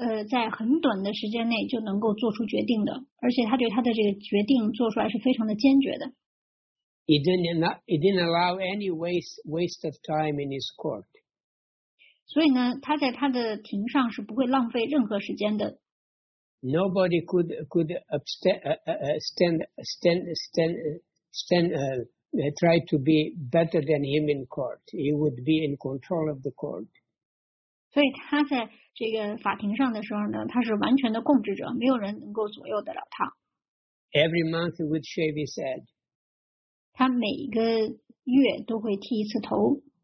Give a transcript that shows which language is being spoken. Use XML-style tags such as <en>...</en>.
<zh>在很短的时间内就能够做出决定的，而且他对他的这个决定做出来是非常的坚决的。</zh> <en>He didn't allow any waste of time in his court.</en> <zh>所以呢，他在他的庭上是不会浪费任何时间的。</zh> <en>Nobody could try to be better than him in court. He would be in control of the court.</en> <zh>所以他在这个法庭上的时候呢，他是完全的控制者，没有人能够左右得了他。</zh> <en>Every month he would shave his head.</en> <zh>他每个月都会剃一次头。</zh>